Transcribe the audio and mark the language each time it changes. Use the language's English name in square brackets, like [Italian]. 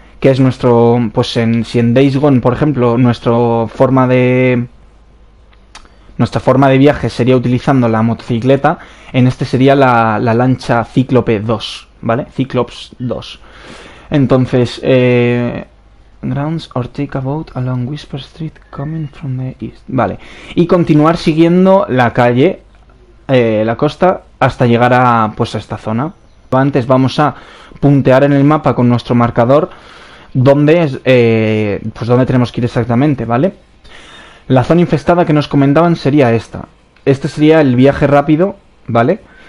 [Spanish] Que es nuestro, pues en, si en Days Gone, por ejemplo, nuestra forma de viaje sería utilizando la motocicleta, en este sería la lancha Cíclope 2, ¿vale? Cyclops 2. [English] Entonces, Grounds or take a boat along Whisper Street coming from the east. [Spanish] Vale. Y continuar siguiendo la calle, la costa, hasta llegar a, pues a esta zona. Antes vamos a puntear en el mapa con nuestro marcador. ¿Dónde es, pues dónde tenemos que ir exactamente, ¿vale? La zona infestada que nos comentaban sería esta. Este sería el viaje rápido, ¿vale?